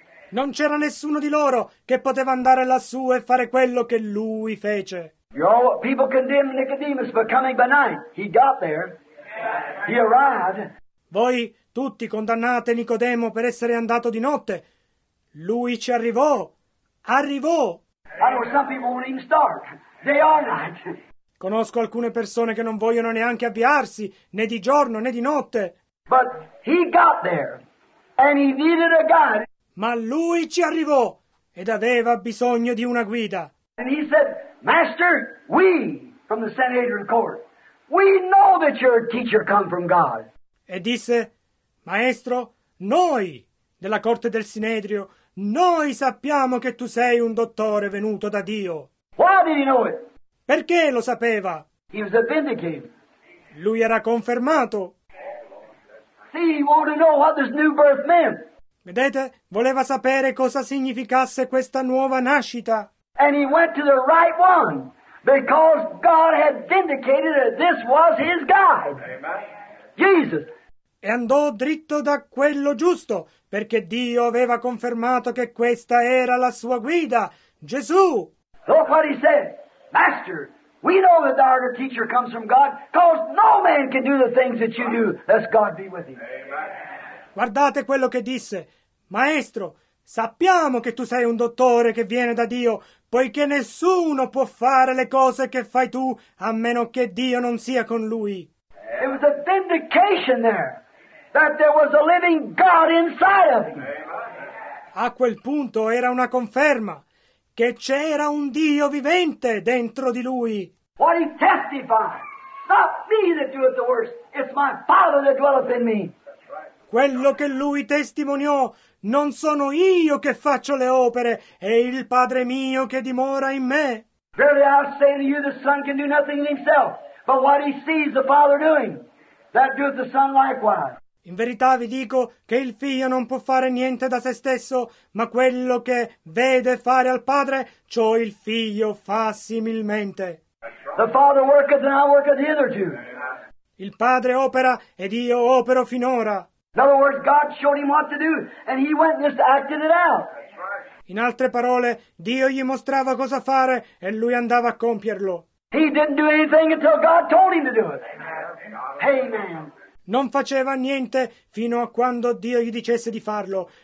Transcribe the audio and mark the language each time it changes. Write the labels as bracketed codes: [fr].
[it] Non c'era nessuno di loro che poteva andare lassù e fare quello che lui fece. [en] You know what people condemned Nicodemus for coming by night. He got there. He arrived. [it] Voi tutti condannate Nicodemo per essere andato di notte. Lui ci arrivò. Arrivò. [en] I know some people won't even start. They are not. [it] Conosco alcune persone che non vogliono neanche avviarsi, né di giorno né di notte. [en] But he got there, and he needed a guide. [it] Ma lui ci arrivò ed aveva bisogno di una guida. [en] And he said, Master, we from the Sanhedrin court. We know that you're a teacher come from God. [it] E disse, Maestro, noi della corte del Sinedrio, noi sappiamo che tu sei un dottore venuto da Dio. [en] Why did he know it? [it] Perché lo sapeva? [en] He was vindicated. [it] Lui era confermato. [en] See, he wanted to know what this new birth meant. [it] Vedete, voleva sapere cosa significasse questa nuova nascita. [en] And he went to the right one, because God had vindicated that this was his guide. Amen. Jesus. [it] E andò dritto da quello giusto, perché Dio aveva confermato che questa era la sua guida, Gesù. [en] Look what he said. Master, we know that thou art a teacher comes from God, because no man can do the things that you do, lest God be with you. Amen. [it] Guardate quello che disse. Maestro, sappiamo che tu sei un dottore che viene da Dio, poiché nessuno può fare le cose che fai tu a meno che Dio non sia con lui. [en] It was a vindication there, that there was a living God inside of him. [it] A quel punto era una conferma che c'era un Dio vivente dentro di lui. [en] What he testified, not me that doeth the worst, it's my Father that dwelleth in me. [it] Quello che lui testimoniò, non sono io che faccio le opere, è il Padre mio che dimora in me. [en] Verily I say to you, the Son can do nothing in himself, but what he sees the Father doing, that doeth the Son likewise. [it] In verità vi dico che il Figlio non può fare niente da se stesso, ma quello che vede fare al Padre, ciò il Figlio fa similmente. [en] The Father worketh and I worketh hitherto. [it] Il Padre opera ed io opero finora. [en] In other words, God showed him what to do, and he went and just acted it out. [it] In altre parole, Dio gli mostrava cosa fare, e lui andava a compierlo. [en] He didn't do anything until God told him to do it. Amen. [it] Non faceva niente fino a quando Dio gli dicesse di farlo.